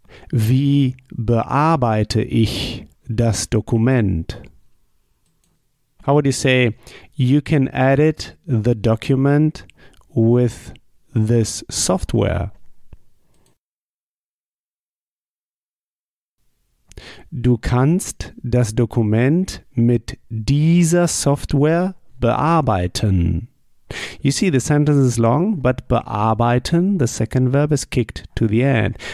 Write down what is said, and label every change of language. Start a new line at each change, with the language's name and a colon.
German: Wie bearbeite ich das Dokument?
English: How would you say, you can edit the document with this software?
German: Du kannst das Dokument mit dieser Software bearbeiten.
English: You see, the sentence is long, but bearbeiten, the second verb is kicked to the end.